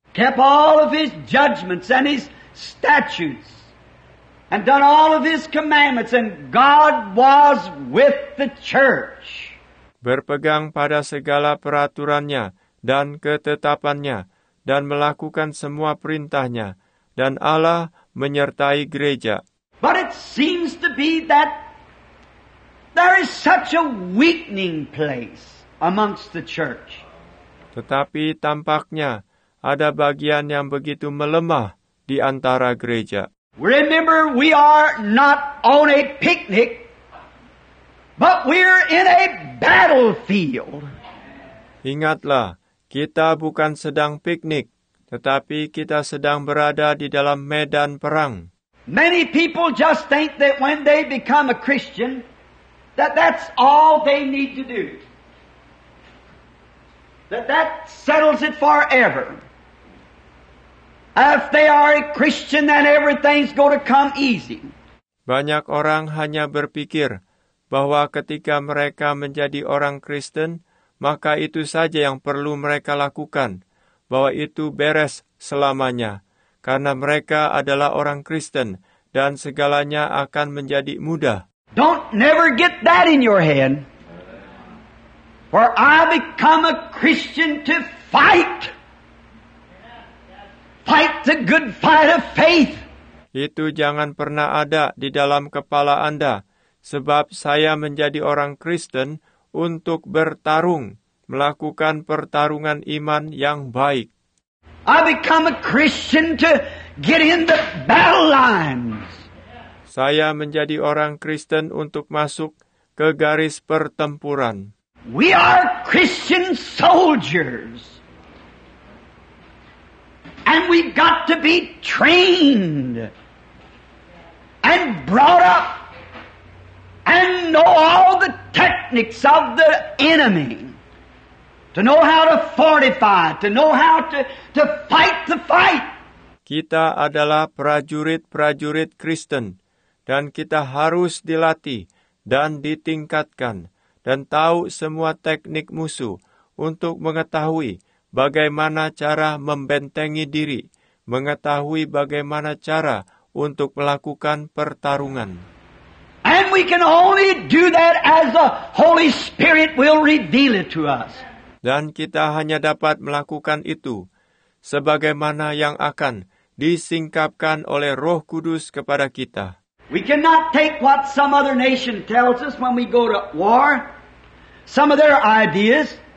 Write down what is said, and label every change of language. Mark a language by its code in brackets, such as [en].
[en] Kept all of his judgments and his statutes, and done all of his commandments, and God was with the church. [id] Berpegang pada segala peraturannya dan ketetapannya, dan melakukan semua perintahnya, dan Allah menyertai gereja. [en] But it seems to be that there is such a weakening place amongst the church. [id] Tetapi tampaknya ada bagian yang begitu melemah di antara gereja. [en] Remember, we are not on a picnic, but we're in a battlefield. [id] Ingatlah, kita bukan sedang piknik, tetapi kita sedang berada di dalam medan perang. [en] Many people just think that when they become a Christian, that's all they need to do. That settles it forever. If they are a Christian, then everything's going to come easy. [id] Banyak orang hanya berpikir bahwa ketika mereka menjadi orang Kristen, maka itu saja yang perlu mereka lakukan, bahwa itu beres selamanya, karena mereka adalah orang Kristen, dan segalanya akan menjadi mudah. [en] Don't never get that in your head. For I become a Christian to fight the good fight of faith. [id] Itu jangan pernah ada di dalam kepala Anda, sebab saya menjadi orang Kristen untuk bertarung, melakukan pertarungan iman yang baik. [en] I become a Christian to get in the battle lines. [id] Saya menjadi orang Kristen untuk masuk ke garis pertempuran. [en] We are Christian soldiers. And we've got to be trained and brought up and know all the techniques of the enemy. To know how to fortify, to know how to fight the fight. [id] Kita adalah prajurit-prajurit Kristen, dan kita harus dilatih dan ditingkatkan, dan tahu semua teknik musuh untuk mengetahui bagaimana cara membentengi diri, mengetahui bagaimana cara untuk melakukan pertarungan. [en] And we can only do that as the Holy Spirit will reveal it to us. [id] Dan kita hanya dapat melakukan itu sebagaimana yang akan disingkapkan oleh Roh Kudus kepada kita. [en] We cannot take what some other nation tells us when we go to war, some of their ideas.